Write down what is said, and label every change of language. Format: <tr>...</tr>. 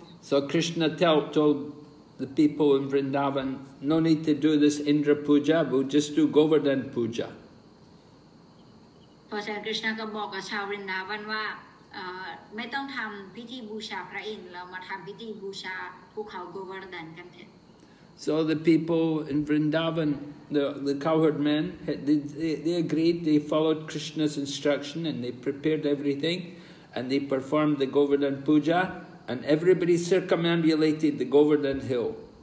<en>So Krishna told the people in Vrindavan, no need to do this Indra Puja, we'll just do Govardhan Puja.</en> <th>เพราะฉะนั้น Krishna ก็บอกกับชาว Vrindavan ว่าไม่ต้องทำพิธีบูชาพระอินทร์เรามาทำพิธีบูชาภูเขา Govardhan กันเถอะ</th> <en>So the people in Vrindavan, the cowherd men, they agreed, they followed Krishna's instruction and they prepared everything and they performed the Govardhan Puja and everybody circumambulated the Govardhan Hill.</en>